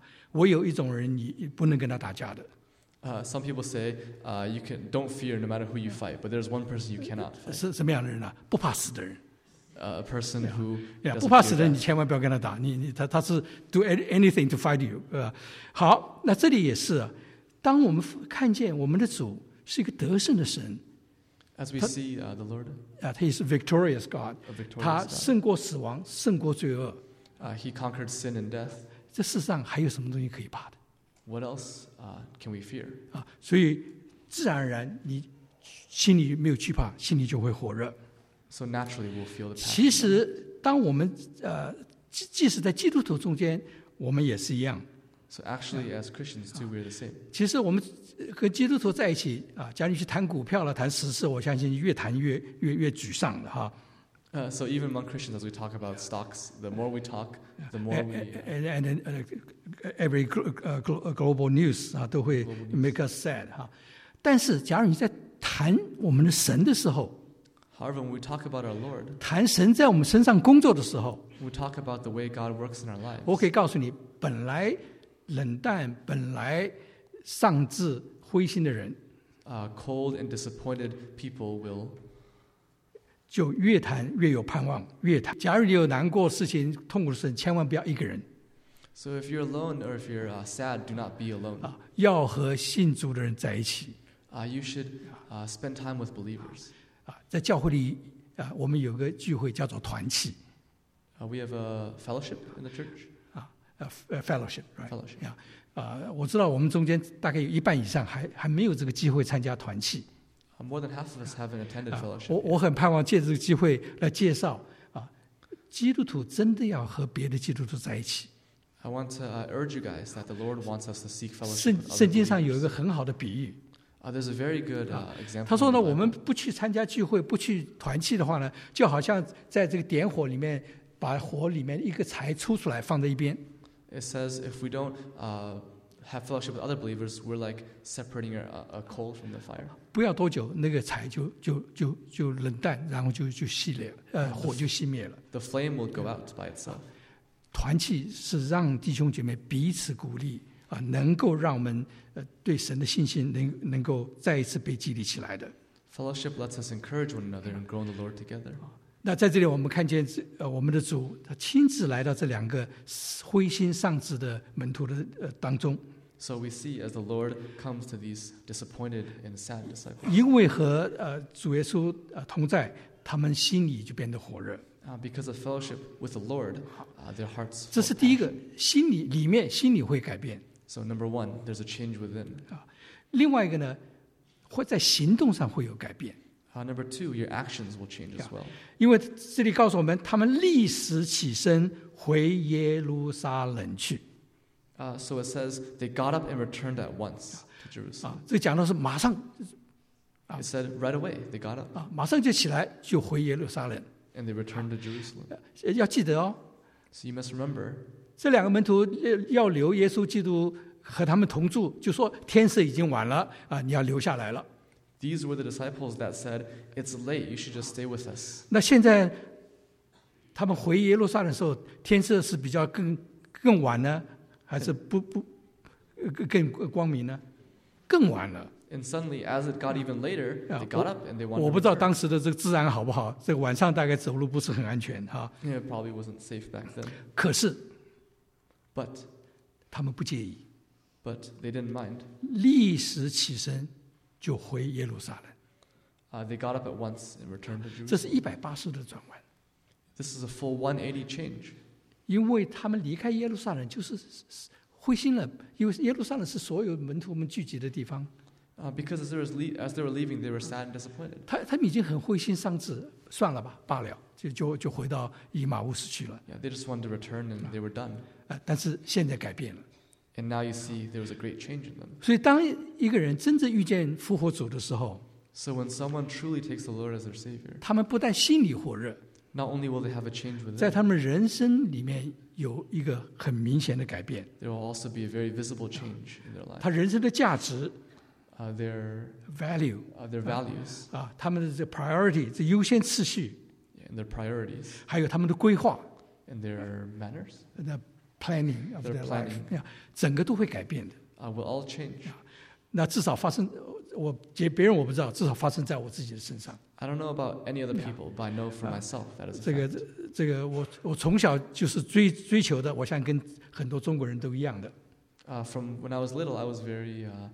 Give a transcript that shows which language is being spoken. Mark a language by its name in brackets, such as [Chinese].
[Chinese] 我有一种人你不能跟他打架的。 [English] Some people say, you can don't fear no matter who you fight, but there's one person you cannot fight. [Chinese] 是什么样的人啊？不怕死的人。 [English] A person who [Chinese] 不怕死的人，你千万不要跟他打。他是 [English] do anything to fight you. [Chinese] 好，那这里也是，当我们看见我们的主是一个得胜的神。 [English] As we see the Lord. He is a victorious God. A victorious God. [Chinese] 他胜过死亡，胜过罪恶。 [English] He conquered sin and death. [Chinese] 这世上还有什么东西可以怕的？ [English] What else can we fear? [Chinese] 所以自然而然你心里没有惧怕，心里就会火热。 [English] So naturally we'll feel the passion. [Chinese] 其实当我们即使在基督徒中间，我们也是一样。 [English] So actually as Christians too, we're the same. [Chinese] 其实我们和基督徒在一起假如你去谈股票了，谈时事，我相信越谈越沮丧的哈。 [English] So even among Christians, as we talk about stocks, the more we talk, the more we... Every global news [Chinese] 都会 [English] make us sad. [Chinese] 但是假如你在谈我们的神的时候， [English] However, when we talk about our Lord, [Chinese] 谈神在我们身上工作的时候， [English] we talk about the way God works in our lives. [Chinese] 我可以告诉你，本来冷淡，本来丧志灰心的人， [English] Cold and disappointed people will... [Chinese] 就越谈越有盼望，越谈。假如你有难过事情、痛苦的事情，千万不要一个人。 [English] So if you're alone or if you're sad, do not be alone. [Chinese] 要和信主的人在一起。 [English] You should spend time with believers. [Chinese] 在教会里我们有个聚会叫做团契。 [English] We have a fellowship in the church. Fellowship, right? Fellowship. Yeah. [Chinese] 我知道我们中间大概有一半以上 还没有这个机会参加团契。 [English] More than half of us haven't attended fellowship. [Chinese] 我很盼望借这个机会来介绍基督徒真的要和别的基督徒在一起。 [English] I want to urge you guys that the Lord wants us to seek fellowship. [Chinese] 圣经上有一个很好的比喻。 [English] There's a very good example. [Chinese] 他说呢，我们不去参加聚会，不去团契的话呢，就好像在这个点火里面，把火里面一个柴抽出来放在一边。 [English] It says if we don't have fellowship with other believers, we're like separating a coal from the fire. [Chinese] 不要多久，那个柴就冷淡，然后就熄了，火就熄灭了。 [English] The flame will go out by itself. [Chinese] 团契是让弟兄姐妹彼此鼓励能够让我们对神的信心能够再一次被激励起来的。 [English] Fellowship lets us encourage one another and grow in the Lord together. [Chinese] 那在这里我们看见我们的主他亲自来到这两个灰心丧志的门徒的当中。 [English] So we see as the Lord comes to these disappointed and sad disciples. [Chinese] 因为和主耶稣同在，他们心里就变得火热。 [English] Because of fellowship with the Lord, their hearts. [Chinese] 这是第一个，里面心里会改变。 [English] So number one, there's a change within. [Chinese] 另外一个呢，会在行动上会有改变。 [English] Number two, your actions will change as well. [Chinese] 因为这里告诉我们，他们立时起身回耶路撒冷去。 [English] So it says they got up and returned at once to Jerusalem. [Chinese] 这讲的是马上。 [English] It said right away they got up. [Chinese] 马上就起来就回耶路撒冷。 [English] And they returned to Jerusalem. [Chinese] 要记得哦。 [English] So you must remember. [Chinese] 这两个门徒要留耶稣基督和他们同住，就说天色已经晚了你要留下来了。 [English] These were the disciples that said, "It's late. You should just stay with us." [Chinese] 那现在，他们回耶路撒冷的时候，天色是比较更晚呢，还是不更光明呢？更晚了。 [English] And suddenly, as it got even later, they got up and they wanted. [Chinese] 我不知道当时的这个治安好不好，这个晚上大概走路不是很安全哈。 [English] Yeah, probably wasn't safe back then. [Chinese] 可是 [English] ，but [Chinese] 他们不介意 [English] ，but they didn't mind. [Chinese] 立时起身。就回耶路撒冷。 [English] They got up at once and returned to Jerusalem. [Chinese] 这是180的转弯。 [English] This is a full 180 change. [Chinese] 因为他们离开耶路撒冷就是灰心了，因为耶路撒冷是所有门徒们聚集的地方。 [English] Because as they were leaving, they were sad and disappointed. [Chinese] 他们已经很灰心丧志，算了吧，罢了，就回到以马忤去了。 [English] Yeah, they just wanted to return and they were done. [Chinese] 但是现在改变了。 [English] And now you see there was a great change in them. [Chinese] 所以当一个人真正遇见复活主的时候， [English] So when someone truly takes the Lord as their Savior, [Chinese] 他们不但心里火热， [English] Not only will they have a change within, [Chinese] 在他们人生里面有一个很明显的改变， [English] There will also be a very visible change in their life. [Chinese] 他人生的价值， [English] Their value, Their values, [Chinese] 他们的 [English] priority, [Chinese] 这优先次序， [English] And their priorities, [Chinese] 还有他们的规划， [English] And their manners, planning of their life, yeah, [Chinese] 整个都会改变的。 [English] Will all change. [Chinese] 那至少发生，我别人我不知道，至少发生在我自己的身上。 [English] I don't know about any other people, but I know for myself that is a fact. [Chinese] 这个我从小就是追求的，我想跟很多中国人都一样的。 [English] From when I was little, I was very